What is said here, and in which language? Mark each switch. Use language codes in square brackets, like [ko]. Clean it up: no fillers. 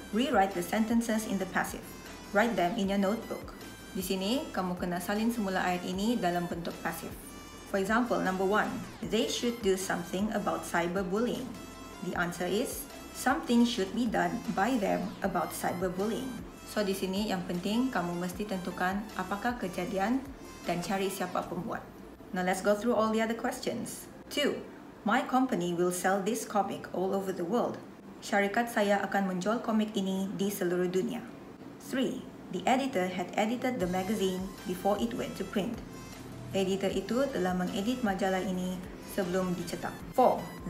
[en] Rewrite the sentences in the passive. Write them in your notebook. [ms] Di sini, kamu kena salin semula ayat ini dalam bentuk passive. [en] For example, number 1. They should do something about cyberbullying. The answer is, something should be done by them about cyberbullying. [ms] So di sini yang penting kamu mesti tentukan apakah kejadian dan cari siapa pembuat. [en] Now let's go through all the other questions. 2. My company will sell this comic all over the world. [ms] Syarikat saya akan menjual komik ini di seluruh dunia. 3. [en] The editor had edited the magazine before it went to print. [ms] Editor itu telah mengedit majalah ini sebelum dicetak. 4.